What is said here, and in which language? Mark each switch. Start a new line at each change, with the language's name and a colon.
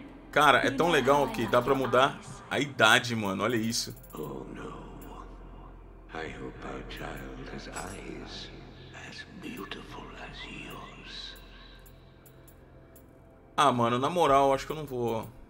Portuguese: Cara, é tão legal que dá pra mudar a idade, mano. Olha isso. Oh, não.
English: I hope our child has eyes as beautiful as yours.
Portuguese: Ah, mano, na moral, acho que eu não vou.